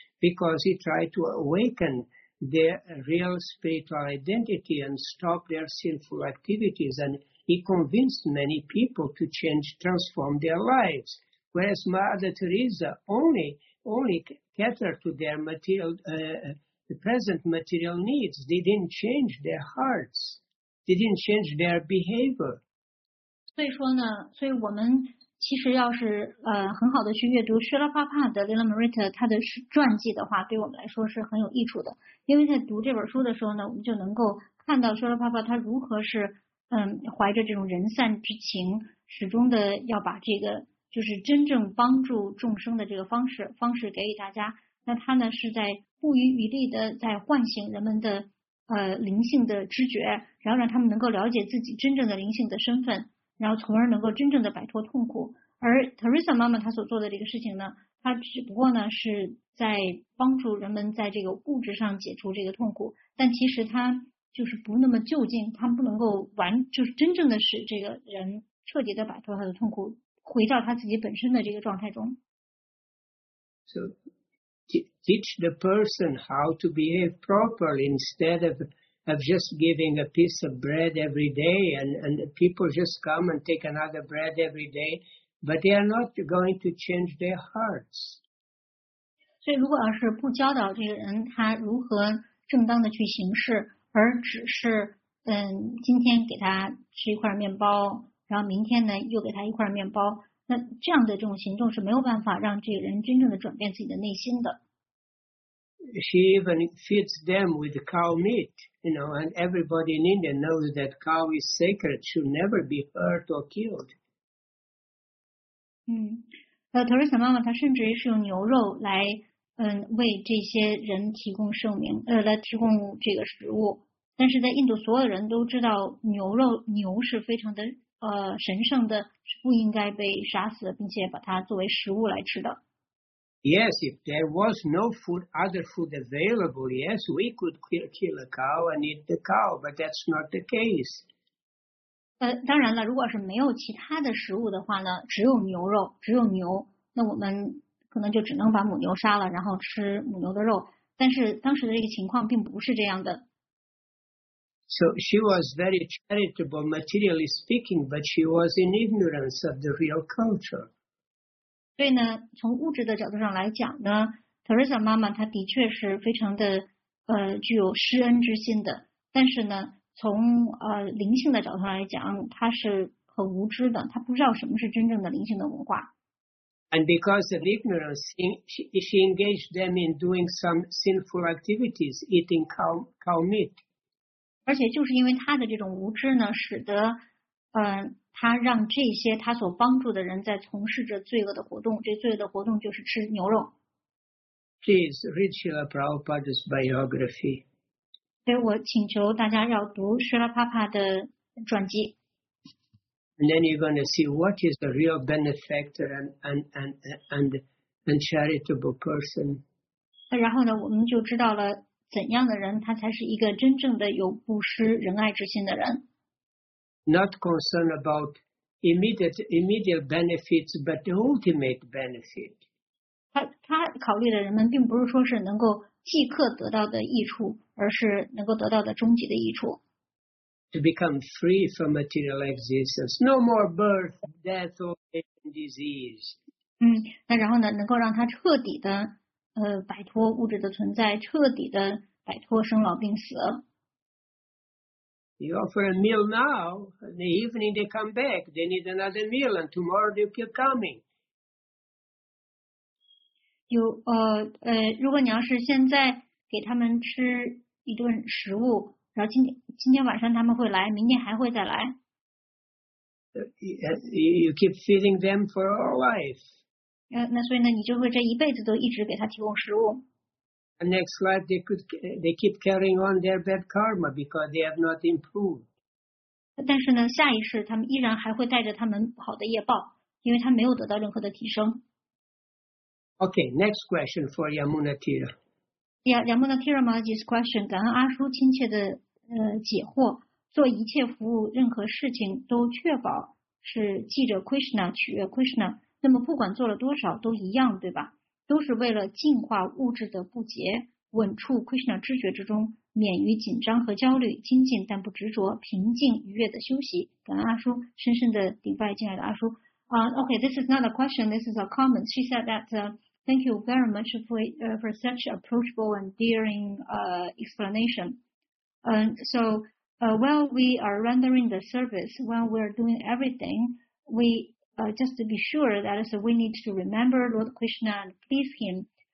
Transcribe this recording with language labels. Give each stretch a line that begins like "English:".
English: Because he tried to awaken their real spiritual identity and stop their sinful activities. And he convinced many people to change, transform their lives. Whereas Mother Teresa only catered to their material, the present material needs. They didn't change their hearts. They didn't change their behavior.
Chinese: 所以说呢，所以我们其实要是很好的去阅读薛拉帕帕的 Lila Marita 他的传记的话，对我们来说是很有益处的。因为在读这本书的时候呢，我们就能够看到薛拉帕帕他如何是怀着这种仁善之情，始终的要把这个就是真正帮助众生的这个方式给予大家。那他呢是在不遗余力的在唤醒人们的灵性的知觉，然后让他们能够了解自己真正的灵性的身份。然后从而能够真正的摆脱痛苦，而 Teresa 妈妈她所做的这个事情呢，她只不过呢是在帮助人们在这个物质上解除这个痛苦，但其实她就是不那么就近，她不能够完，就是真正的使这个人彻底的摆脱他的痛苦，回到他自己本身的这个状态中。
English: So teach the person how to behave properly instead of just giving a piece of bread every day and people just come and take another bread every day, but they are not going to change their hearts.
Chinese: 所以如果要是不教导这个人他如何正当的去行事，而只是今天给他吃一块面包，然后明天呢又给他一块面包，那这样的这种行动是没有办法让这个人真正的转变自己的内心的。
English: She even feeds them with cow meat, you know, and everybody in India knows that cow is sacred, should never be hurt or killed.
Chinese: Teresa 妈妈她甚至是用牛肉来为这些人提供生命来提供这个食物。但是在印度所有人都知道牛是非常的神圣的，是不应该被杀死并且把它作为食物来吃的。
English: Yes, if there was no food, other food available, yes, we could kill a cow and eat the cow, but that's not the case.
Chinese: 当然了，如果是没有其他的食物的话呢，只有牛肉，只有牛，那我们可能就只能把母牛杀了，然后吃母牛的肉。但是当时的这个情况并不是这样的。
English: So she was very charitable, materially speaking, but she was in ignorance of the real culture.
Chinese: 所以呢，从物质的角度上来讲呢 ，Teresa 妈妈她的确是非常的具有施恩之心的。但是呢，从灵性的角度上来讲，她是很无知的，她不知道什么是真正的灵性的文化。
English: And because of ignorance, she engaged them in doing some sinful activities, eating cow meat.
Chinese: 而且就是因为她的这种无知呢，使得他让这些他所帮助的人在从事着罪恶的活动，这罪恶的活动就是吃牛肉。
English: Please read Srila Prabhupada's biography.
Chinese: 所以我请求大家要读 Srila Prabhupada 的传记。
English: And then you're going to see what is the real benefactor and charitable person.
Chinese: 然后呢，我们就知道了怎样的人他才是一个真正的有布施仁爱之心的人。
English: Not concerned about immediate benefits, but the ultimate benefit.
Chinese: 他考虑的人们并不是说是能够即刻得到的益处，而是能够得到的终极的益处。
English: To become free from material existence, no more birth, death, or disease.
Chinese: 那然后呢，能够让他彻底的摆脱物质的存在，彻底的摆脱生老病死。
English: You offer a meal now, in the evening they come back, they need another meal, and tomorrow they keep coming.
Chinese: 有如果你要是现在给他们吃一顿食物，然后今天晚上他们会来，明天还会再来。
English: You keep feeding them for all life.
Chinese: 那所以呢，你就会这一辈子都一直给他提供食物。
English: The next life, they keep carrying on their bad karma because they have not improved.
Chinese: 但是呢，下一世他们依然还会带着他们不好的业报，因为他没有得到任何的提升。
English: Okay, next question for Yamuna Tira. Yeah, Yamuna Tira Maharaj's question.
Chinese: 感恩阿叔亲切的解惑。做一切服务，任何事情都确保是记着 Krishna 取悦 Krishna。那么不管做了多少都一样，对吧？都是为了净化物质的不洁，稳处 Krishna 知觉之中，免于紧张和焦虑，精进但不执着，平静愉悦的休息。感恩阿叔，深深的礼拜敬爱的阿叔。
English: Okay, this is not a question. This is a comment. She said that thank you very much for such approachable and daring explanation. While we are rendering the service, while we are doing everything, we just to be sure that so we need to remember Lord Krishna and please him.